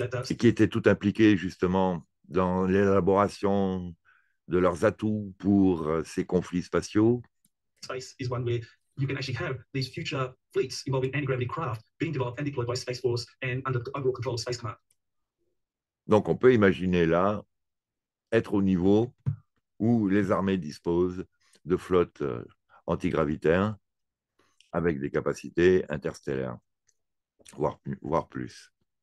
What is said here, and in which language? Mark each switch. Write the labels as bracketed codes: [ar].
[fr] Et qui était tout impliqué justement dans l'élaboration de leurs atouts pour ces conflits spatiaux. [en] You can actually have these future fleets involving anti-gravity craft being developed and deployed by Space Force and under the overall control of Space Command. [fr] Donc on peut imaginer là être au niveau où les armées disposent de flottes antigravitaires avec des capacités interstellaires, voire plus.